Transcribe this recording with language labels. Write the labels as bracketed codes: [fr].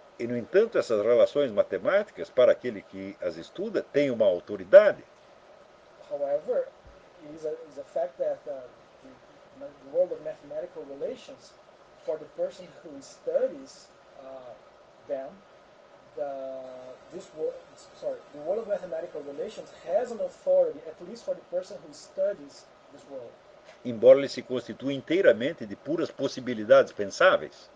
[pt] E no entanto, essas relações matemáticas, para aquele que as estuda, têm uma autoridade. [en] However, is a fact that the world of mathematical relations, for the person who studies them, the world of mathematical relations has an authority, at least for the person who studies this world. [pt] Embora ele se constitua inteiramente de puras possibilidades pensáveis.